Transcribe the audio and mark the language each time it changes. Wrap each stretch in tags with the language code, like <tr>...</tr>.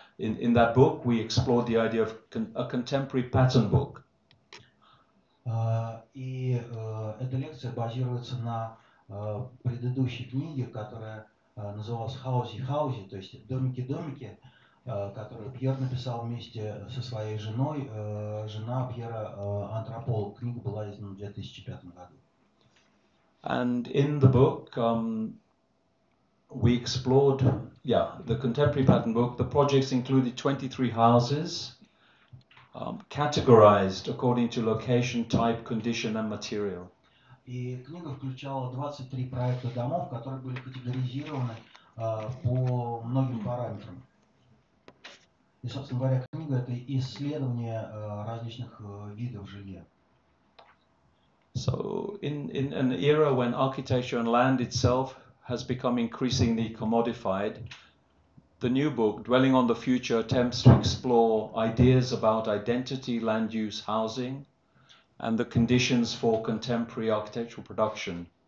<en>In that book, we explored the idea of a contemporary pattern book.</en> <ru>Эта лекция базируется на предыдущей книге, которая называлась «Хаузи-хаузи», то есть «Домики-домики», которую Пьер написал вместе со своей женой. Жена Пьера антрополог. Книга была издана в 2005 году.</ru> <en>And in the book we explored, yeah, the contemporary pattern book. The projects included 23 houses categorized according to location, type, condition and material.</en> <ru>И книга включала 23 проекта домов, которые были категоризированы по многим параметрам. И, собственно говоря, книга – это исследование различных видов жилья.</ru> <en>So, in an era when architecture and land itself has become increasingly commodified, The new book, Dwelling on the Future, attempts to explore ideas about identity, land use, housing, and the conditions for contemporary architectural production.</en>